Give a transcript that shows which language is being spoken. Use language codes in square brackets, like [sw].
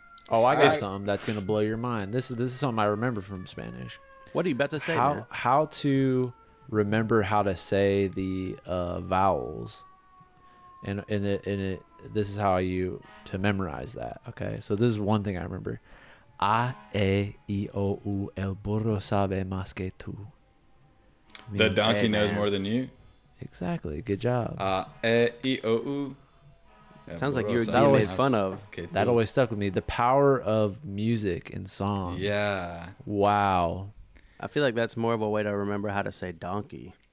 [en] Oh, I got something that's going to blow your mind. This is something I remember from Spanish. What are you about to say? How to remember how to say the vowels. This is how you to memorize that. Okay, so this is one thing I remember. [es] A, E, I, O, U, el burro sabe más que tú. [en] The donkey knows more than you. Exactly. Good job. A, E, I, O, U. Sounds like you're getting made fun of. That always stuck with me. The power of music and song. Yeah. Wow. I feel like that's more of a way to remember how to say donkey.